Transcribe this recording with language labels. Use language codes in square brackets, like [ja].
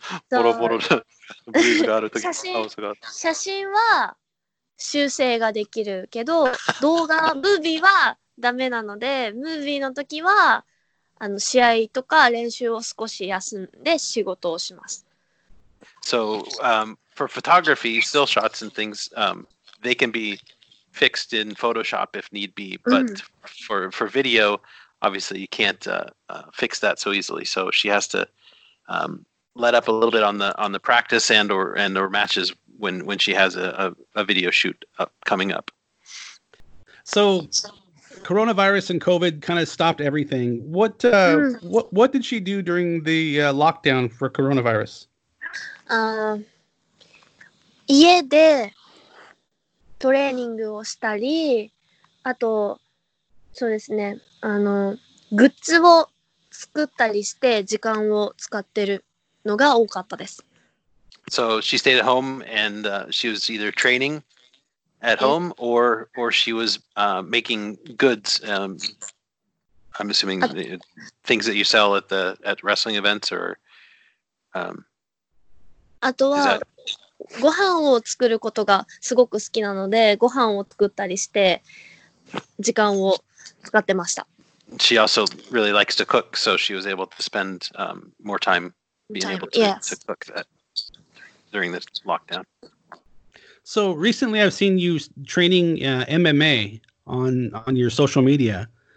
[ja] ボロボロのブルーズがあるとき、写真は修正ができるけど、動画ムービーはダメなので、ムービーの時はあの試合とか練習を少し休んで仕事をします。 [en] So, for photography, still shots and things, they can be fixed in Photoshop if need be, but for video, obviously you can't fix that so easily. So she has to let up a little bit on the practice and or matches. When she has a video shoot coming up. So, coronavirus and COVID kind of stopped everything. What did she do during the lockdown for coronavirus? [ja] 家でトレーニングをしたり、あとそうですね、あのグッズを作ったりして時間を使ってるのが多かったです。 [en] So she stayed at home and she was either training at home or she was making goods. I'm assuming things that you sell at wrestling events or. [ja] あとはご飯を作ることがすごく好きなのでご飯を作ったりして時間を使ってました。 [en] She also really likes to cook, so she was able to spend more time being able to cook that. During this lockdown. So recently I've seen you training MMA on your social media.